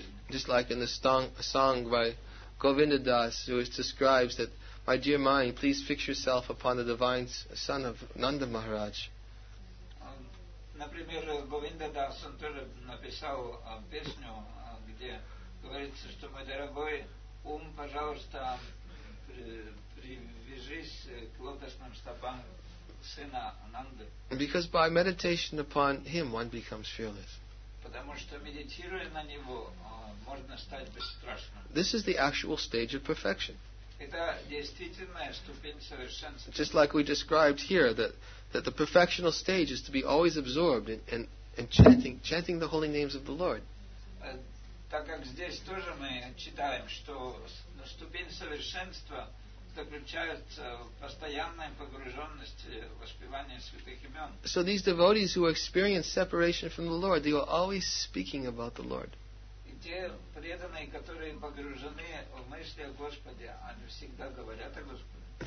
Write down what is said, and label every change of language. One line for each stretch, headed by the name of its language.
English: Just like in the song by Govinda Das, which describes that, "My dear mind, please fix yourself upon the divine son of Nanda Maharaj."
Russian: Например, Говинда Дас, он тоже написал песню, где говорится, что мой дорогой ум, пожалуйста, привяжись к лотосным стопам сына Ананды.
English: Because by meditation upon him, one becomes fearless.
Russian: Потому что медитируя на него, можно стать бесстрашным.
English: This is the actual stage of perfection.
Russian: Это действительная ступень совершенства.
English: Just like we described here, that the perfectional stage is to be always absorbed in chanting the holy names of the Lord.
Russian: Так как здесь тоже мы читаем, что ступень совершенства заключается в постоянной погруженности в воспевание святых имен.
English: So these devotees who experience separation from the Lord, they are always speaking about the Lord.
Russian: И те преданные, которые погружены в мысли о Господе, они всегда говорят о Господе.